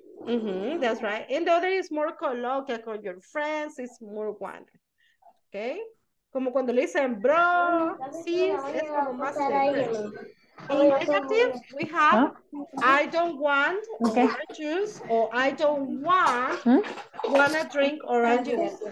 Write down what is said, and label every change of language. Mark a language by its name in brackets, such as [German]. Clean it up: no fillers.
[English] Mm-hmm, that's right. And the other is more colloquial, your friends, it's more one. Okay? [Spanish] Como cuando le dicen bro, sis, es como más tranquilo. [English] In negative, we have I don't want orange juice or I don't want wanna drink orange juice.